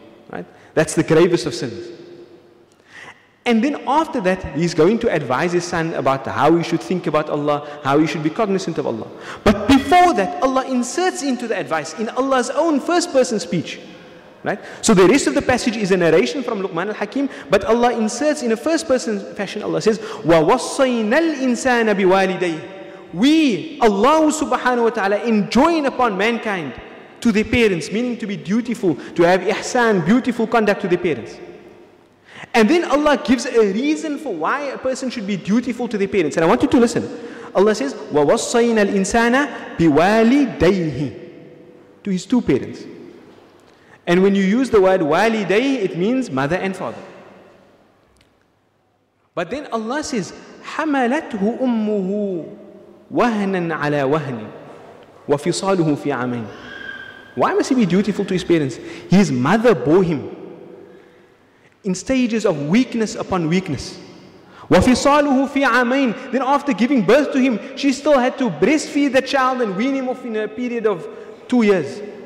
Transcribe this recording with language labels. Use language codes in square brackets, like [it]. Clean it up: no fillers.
[en] Right, that's the gravest of sins. And then after that, he's going to advise his son about how he should think about Allah, how he should be cognizant of Allah. But before that, Allah inserts into the advice, in Allah's own first person speech, Right? So the rest of the passage is a narration from Luqman al-Hakim, but Allah inserts in a first-person fashion. Allah says, [ar] وَوَصَّيْنَا الْإِنسَانَ بِوَالِدَيْهِ. [en] We, Allah subhanahu wa ta'ala, enjoin upon mankind to their parents, meaning to be dutiful, to have ihsan, beautiful conduct to their parents. And then Allah gives a reason for why a person should be dutiful to their parents. And I want you to listen. Allah says, [ar] وَوَصَّيْنَا الْإِنسَانَ بِوَالِدَيْهِ. [en] To his two parents. And when you use the word walidayh, it means mother and father. But then Allah says, [ar] حَمَلَتْهُ أُمُّهُ وَهْنًا عَلَى وَهْنٍ وَفِصَالُهُ فِي عَمَيْنٍ. [en] Why must he be dutiful to his parents? His mother bore him in stages of weakness upon weakness. [ar] وَفِصَالُهُ فِي عَمَيْنٍ. [en] Then after giving birth to him, she still had to breastfeed the child and wean him off in a period of 2 years.